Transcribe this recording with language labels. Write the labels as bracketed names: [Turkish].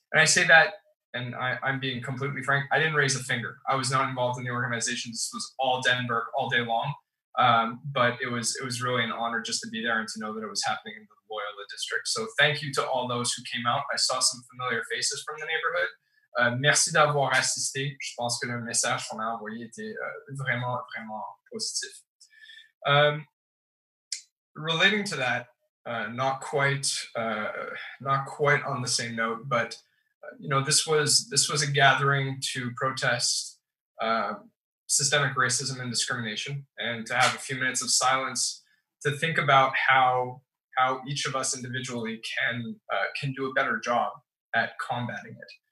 [English] And I say that, and I'm being completely frank, I didn't raise a finger. I was not involved in the organization. This was all Denver all day long. But it was really an honor just to be there and to know that it was happening in the Loyola district. So thank you to all those who came out. I saw some familiar faces from the neighborhood. [French] Merci d'avoir assisté. Je pense que le message qu'on a envoyé était vraiment, vraiment positif. [English] Relating to that, not quite on the same note, but you know, this was a gathering to protest systemic racism and discrimination, and to have a few minutes of silence to think about how each of us individually can do a better job at combating it.